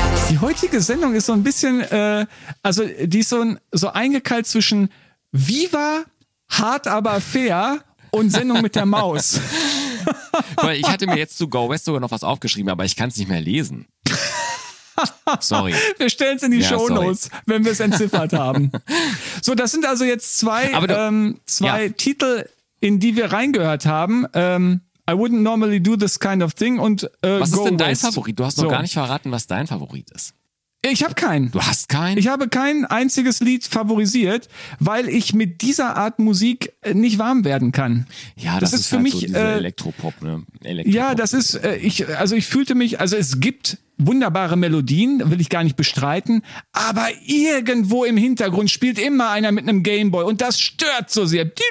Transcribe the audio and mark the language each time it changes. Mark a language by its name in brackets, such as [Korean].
[German] Die heutige Sendung ist so ein bisschen, die ist so eingekeilt zwischen Viva, hart aber fair und Sendung mit der Maus. Weil ich hatte mir jetzt zu Go West sogar noch was aufgeschrieben, aber ich kann es nicht mehr lesen. Sorry. Wir stellen es in die Shownotes, wenn wir es entziffert haben. So, das sind also jetzt zwei Titel, in die wir reingehört haben. [English] I wouldn't normally do this kind of thing und [German] Was Go ist denn dein West. Favorit? Du hast noch gar nicht verraten, was dein Favorit ist. Ich habe keinen. Du hast keinen? Ich habe kein einziges Lied favorisiert, weil ich mit dieser Art Musik nicht warm werden kann. Ja, das ist für halt mich so diese Elektropop, ne? Elektropop. Ja, das ist, es gibt wunderbare Melodien, will ich gar nicht bestreiten, aber irgendwo im Hintergrund spielt immer einer mit einem Gameboy und das stört so sehr.